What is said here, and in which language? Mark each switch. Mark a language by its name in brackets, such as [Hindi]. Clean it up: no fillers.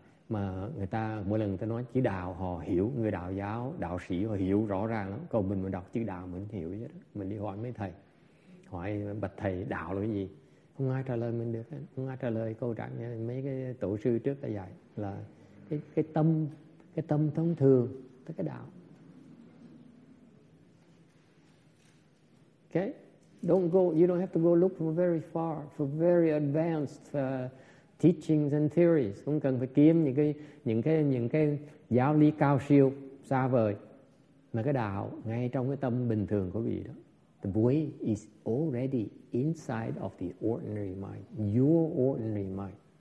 [Vietnamese] Mà người ta, mỗi lần người ta nói chữ đạo họ hiểu, người đạo giáo, đạo sĩ họ hiểu rõ ràng lắm, còn mình đọc chữ đạo mình hiểu vậy đó. Mình đi hỏi mấy thầy, hỏi bạch thầy đạo là cái gì, không ai trả lời mình được, không ai trả lời câu trả lời, mấy cái tổ sư trước đã dạy là cái tâm thông thường, tất cả đạo. [English] Okay, don't go. You don't have to go look for very far, for very advanced teachings and theories. [Vietnamese] Không cần phải kiếm những cái giáo lý cao siêu xa vời, mà cái đạo ngay trong cái tâm bình thường của vị đó. [English] The way is already inside of the ordinary mind, your ordinary mind.